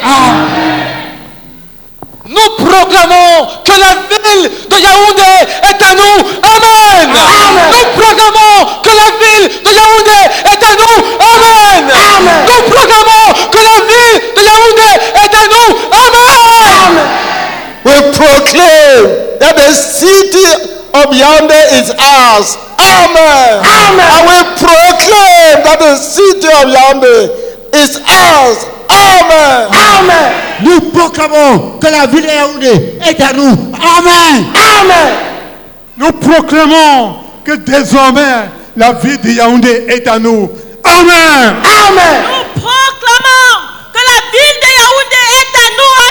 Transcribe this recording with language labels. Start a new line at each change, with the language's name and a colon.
French: Amen. Nous proclamons que la ville de Yaoundé est à nous. Amen. Amen. Nous proclamons que la ville de Yaoundé est à nous. Amen. Amen. Nous proclamons que la ville de Yaoundé est à nous. Amen. Amen.
English: We proclaim that the city of Yaoundé is ours. Amen. Amen. And we proclaim that the city of Yaoundé is ours. Amen. Amen.
French: Nous proclamons que la ville de Yaoundé est à nous. Amen. Amen. Nous proclamons que désormais la ville de Yaoundé est à nous. Amen. Amen. Nous proclamons que la ville de Yaoundé est à nous.